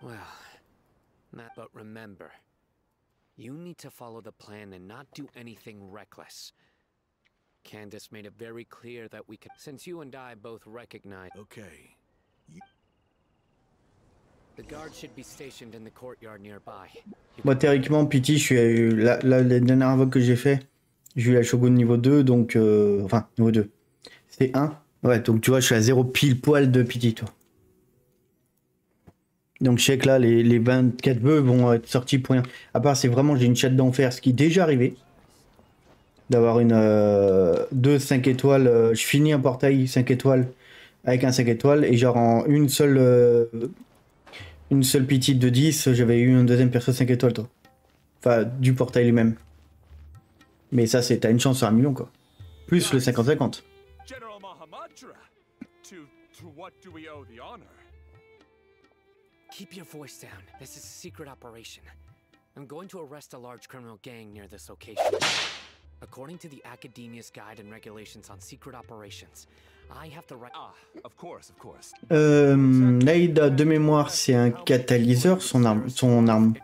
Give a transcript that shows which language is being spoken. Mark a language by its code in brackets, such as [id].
[en] Well, not, but remember, you need to follow the plan and not do anything reckless. Candace made it very clear that we could, since you and I both recognize... Okay. The guard should be stationed in the courtyard nearby. [fr] Bah théoriquement, Pity, je suis la dernière invoque que j'ai fait, j'ai eu la Shogun niveau 2, donc... enfin, niveau 2. C'est 1. Ouais, donc tu vois, je suis à 0 pile poil de Pity, toi. Donc je sais que là, les 24 bœufs vont être sortis pour rien. À part c'est vraiment, j'ai une chatte d'enfer, ce qui est déjà arrivé. D'avoir une 2 5 étoiles, je finis un portail 5 étoiles avec un 5 étoiles et genre en une seule petite de 10, j'avais eu un deuxième perso 5 étoiles toi. Enfin, du portail lui-même. Mais ça, c'est, t'as une chance sur 1 million quoi. Plus le 50-50. [en] General Mahamadra, to what do we owe the honor? Keep your voice down. This is a secret operation. I'm going to arrest a large criminal gang near this location. According to the Academia's guide and regulations on secret operations, I have the right. Ah, of course, of course. [fr] L'aide de mémoire, c'est un catalyseur, son arme.